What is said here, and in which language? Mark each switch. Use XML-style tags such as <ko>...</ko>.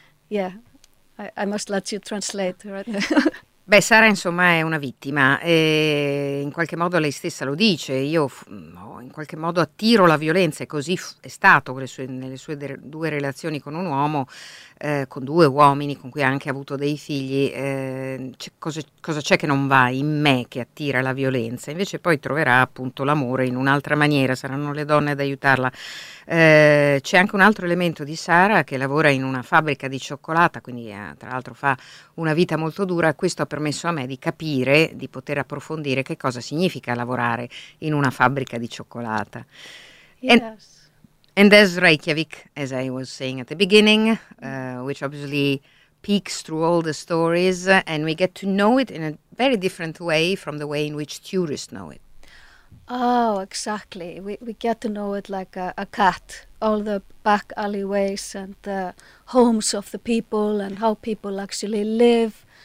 <en>Yeah, I must let you translate right now.</en> <it>Beh, Sara insomma è una vittima e in qualche modo lei stessa lo dice, io in qualche modo attiro la violenza e così è stato nelle sue due relazioni con un uomo, con due uomini con cui ha anche avuto dei figli, cosa c'è che non va in me che attira la violenza? Invece poi troverà appunto l'amore in un'altra maniera, saranno le donne ad aiutarla. C'è anche un altro elemento di Sara che lavora in una fabbrica di cioccolata, quindi tra l'altro fa una vita molto dura, questo ha permesso a me di capire, di poter approfondire che cosa significa lavorare in una fabbrica di cioccolata.</it> <en>Yes. And as Reykjavik, as I was saying at the beginning, which obviously peeks through all the stories, and we get to know it in a very different way from the way in which tourists know it. Oh, exactly. We get to know it like a cat, all the back alleyways and the homes of the people and how people actually live.</en>